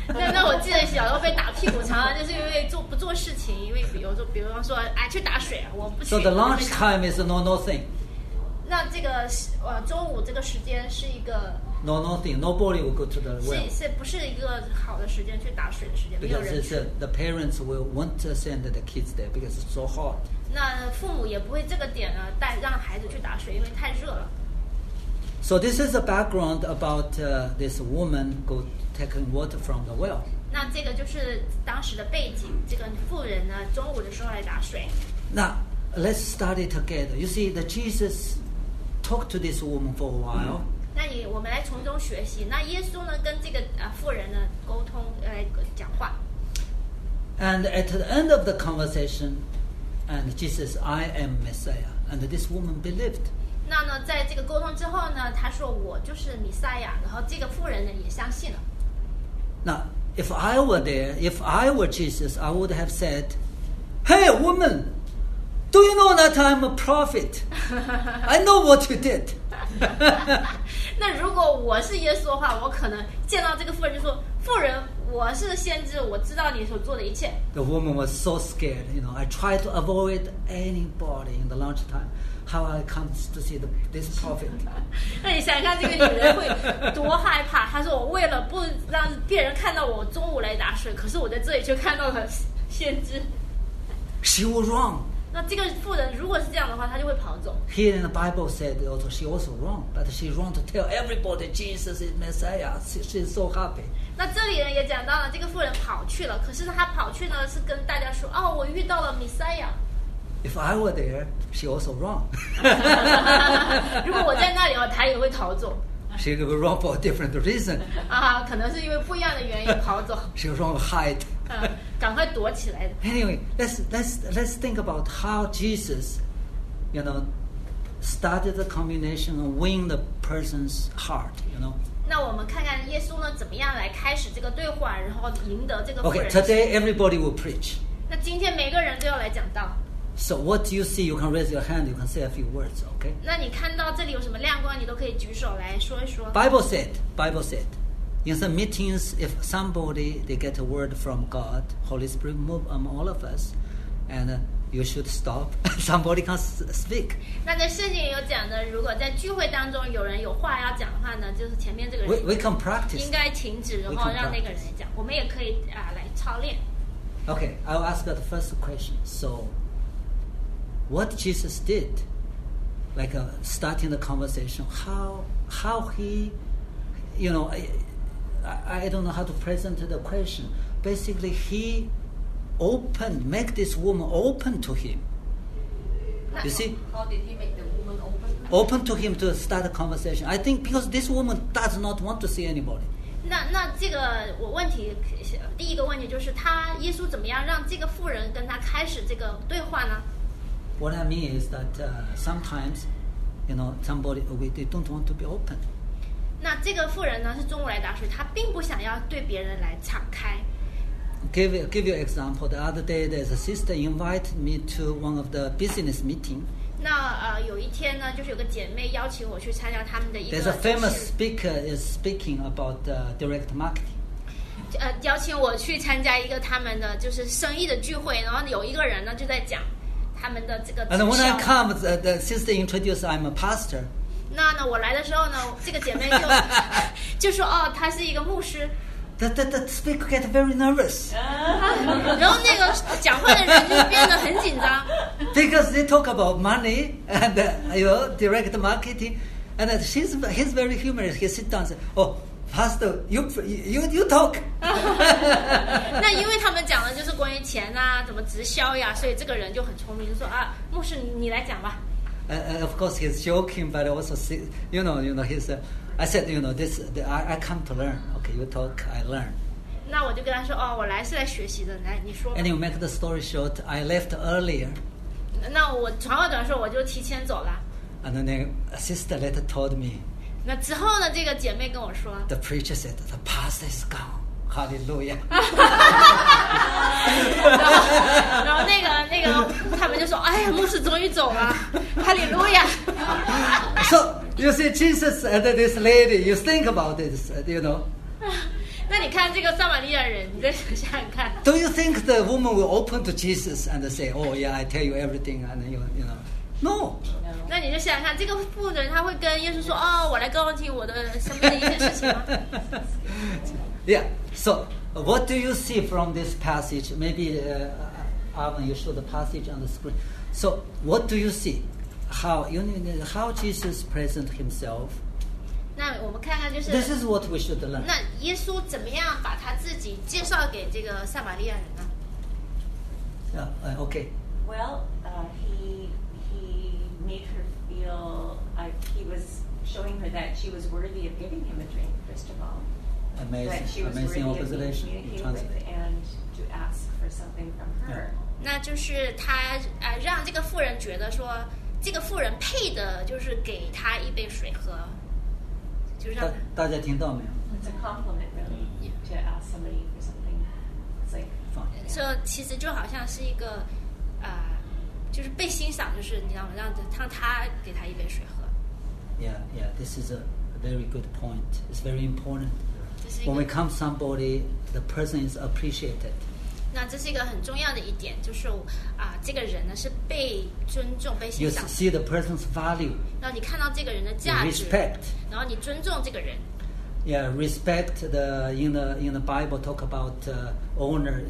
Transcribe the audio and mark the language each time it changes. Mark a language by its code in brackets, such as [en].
[zh] 那我记得小时候被打屁股，常常就是因为不做事情，因为比如说哎去打水，我不去。 [en] So the lunch time is no nothing. [zh] 那这个中午这个时间是一个。 [en] No nothing. Nobody will go to the well. [zh] 是不是一个好的时间去打水的时间？ [en] Because [zh] 没有人。 [en] The parents will won't send the kids there because it's so hot. [zh] 那父母也不会这个点呢带让孩子去打水，因为太热了。 [en] So this is the background about this woman taking water from the well. [zh] 那这个就是当时的背景，这个妇人呢中午的时候来打水。 [en] 那 let's study together. You see, the Jesus talked to this woman for a while. [zh] 那你我们来从中学习。那耶稣呢跟这个妇人呢沟通讲话。 [en] And at the end of the conversation, and Jesus, I am Messiah. And this woman believed. [zh] 那呢在这个沟通之后呢他说我就是弥赛亚，然后这个妇人呢也相信了。 [en] 那 if I were there, if I were Jesus, I would have said, Hey woman, do you know that I'm a prophet? I know what you did. [zh] 那如果我是耶稣的话，我可能见到这个妇人就说，妇人，我是先知，我知道你所做的一切。 [en] The woman was so scared, you know, I tried to avoid anybody in the lunch time. How I come to see this prophet. [zh] 那你想看这个女人会多害怕？她说：“我为了不让别人看到我中午来打水，可是我在这里却看到了先知。” [en] She was wrong. [zh] 那这个妇人如果是这样的话，她就会跑走。 [en] Here in the Bible said also she also wrong, but she wrong to tell everybody Jesus is Messiah. She's so happy. [zh] 那这里也讲到了这个妇人跑去了，可是她跑去呢是跟大家说：“哦，我遇到了弥赛亚。” [en] If I were there. She also wrong. [zh] 如果我在那里的话，她也会逃走。 [en] She was wrong for a different reason. [zh] 可能是因为不一样的原因跑走。 [en] She was wrong to hide. [zh] 赶快躲起来。 [en] Anyway, let's think about how Jesus, you know, started the combination and win the person's heart. You know. [zh] 那我们看看耶稣呢怎么样来开始这个对话，然后赢得这个。 [en] Okay, today everybody will preach. [zh] 那今天每个人都要来讲道。 [en] So what do you see? You can raise your hand. You can say a few words. Okay. [zh] 那你看到这里有什么亮光，你都可以举手来说一说。 [en] Bible said, in some meetings, if somebody they get a word from God, Holy Spirit move among all of us, and you should stop. Somebody can speak. [zh] 那在圣经有讲的，如果在聚会当中有人有话要讲的话呢，就是前面这个人。 [en] We can practice. [zh] 应该停止，然后让那个人来讲。我们也可以来操练。 [en] Okay, I'll ask the first question. So. What Jesus did, like starting the conversation, how he, you know, I don't know how to present the question. Basically, he opened, make this woman open to him. You see? How did he make the woman open? Open to him to start a conversation. I think because this woman does not want to see anybody. [zh] 那这个我问题第一个问题就是他耶稣怎么样让这个妇人跟他开始这个对话呢？ [en] What I mean is that sometimes, you know, somebody they don't want to be open. [zh] 那这个妇人呢是中午来打水，她并不想要对别人来敞开。 [en] Give you an example. The other day, there's a sister invited me to one of the business meeting. [zh] 那有一天呢，就是有个姐妹邀请我去参加他们的一个。 [en] There's a famous speaker is speaking about direct marketing. [zh] 邀请我去参加一个他们的就是生意的聚会，然后有一个人呢就在讲。他们的这个 [en] And when I come, the sister introduced I'm a pastor. [zh] 那我来的时候呢，这个姐妹就说哦，她是一个牧师。 [en] The speaker get very nervous. [zh] 然后那个讲话的人就变得很紧张。 [en] Because they talk about money and you know, direct marketing, and he's very humorous. He sit down and say, oh. Pastor, you talk. [zh] 那因为他们讲的就是关于钱啊，怎么直销呀，所以这个人就很聪明，就说啊，牧师你来讲吧。 [en] Of course he's joking, but also see, you know he's. I said you know this. I come to learn. Okay, you talk, I learn. [zh] 那我就跟他说哦，我来是来学习的，来你说吧。 [en] And you make the story short. I left earlier. [zh] 那我长话短说，我就提前走了。 [en] And then the sister later told me. [zh] 那之后呢？这个姐妹跟我说 [en] ，The preacher said the pastor is gone. Hallelujah. [zh] 然后那个，他们就说：“哎呀，牧师终于走了。 [en] ”Hallelujah. So you see, Jesus and this lady, you think about this, you know. [zh] 那你看这个撒玛利亚人，你再想想看。 [en] Do you think the woman will open to Jesus and say, "Oh, yeah, I tell you everything," and you know? No. [zh] 那你就想想看，这个妇人他会跟耶稣说：“哦，我来告诉你我的生命的一些事情吗？” [en] Yeah. So, what do you see from this passage? Maybe, Alvin, you show the passage on the screen. So, what do you see? How Jesus present himself? [zh] 那我们看看就是 [en] This is what we should learn. [zh] 那耶稣怎么样把他自己介绍给这个撒玛利亚人呢？ [en] Yeah, okay. Well, he made her feel he was showing her that she was worthy of giving him a drink, first of all. Amazing observation. And to ask for something from her. Yeah. [zh] 那就是他让这个妇人觉得说这个妇人配的就是给他一杯水喝，就让大家听到没有 [en] It's a compliment really to ask somebody for something. It's like, [zh] so, 其实就好像是一个就是被欣赏，就是你知道吗，让他给他一杯水喝。 [en] Yeah, yeah, this is a very good point. It's very important. When we come somebody, the person is appreciated. [zh] 那这是一个很重要的一点，就是这个人呢是被尊重、被欣赏。 [en] You see the person's value. [zh] 然后你看到这个人的价值。 [en] Respect. [zh] 然后你尊重这个人。 [en] Yeah, respect the in the Bible talk about honor.